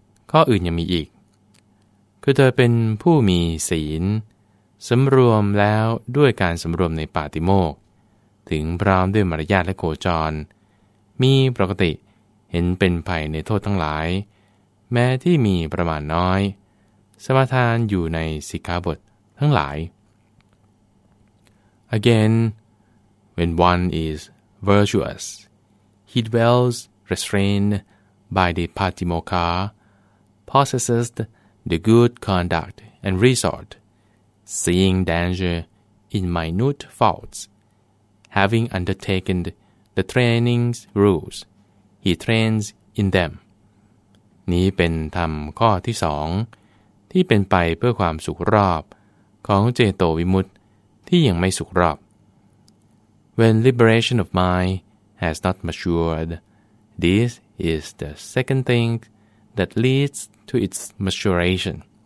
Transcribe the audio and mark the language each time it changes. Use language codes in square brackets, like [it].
[th] ข้ออื่นยังมีอีกคือเธอเป็นผู้มีศีลสำรวมแล้วด้วยการสำรวมในปาติโมกข์ถึงพร้อมด้วยมารยาทและโคจรมีปกติเห็นเป็นภัยในโทษทั้งหลายแม้ที่มีประมาณน้อยสมาทานอยู่ในสิกขาบททั้งหลาย [en] Again, when one is virtuous, he dwells restrained by the patimokkha. Possesses the good conduct and resort, seeing danger in minute faults. Having undertaken the training's rules, he trains in them. [th] นี้เป็นธรรมข้อที่สองที่เป็นไปเพื่อความสุขรอบของเจโตวิมุตติที่ยังไม่สุขรอบ [en] When liberation of mind has not matured, this is the second thing that leadsto its maturation.